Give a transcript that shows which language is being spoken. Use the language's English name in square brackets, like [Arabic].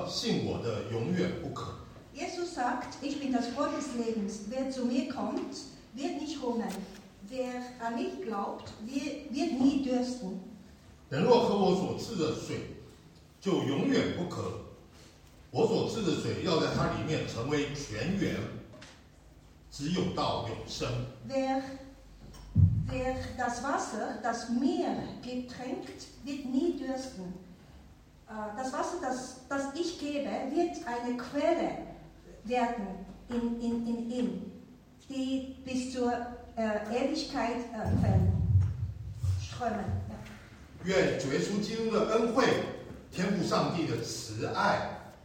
[Chinese] 我们一起低头祷告。耶稣说：“我是生命的粮，到我这里来的，必定不饿；信我的，永远不渴。” [German] Jesus sagt: Ich bin das Brot des Lebens. Wer zu mir kommt, wird nicht hungern. Wer an mich glaubt, wird nie dürsten. [Chinese] 人若喝我所赐的水，就永远不渴。我所赐的水要在它里面成为泉源，只有到永生。 [German] Wer das Wasser, das mir getränkt, wird nie dürsten. Das Wasser, das ich gebe, wird eine Quelle werden in ihm, die bis zur Ewigkeit strömen. [Chinese] 愿主耶稣基督的恩惠，天父上帝的慈爱。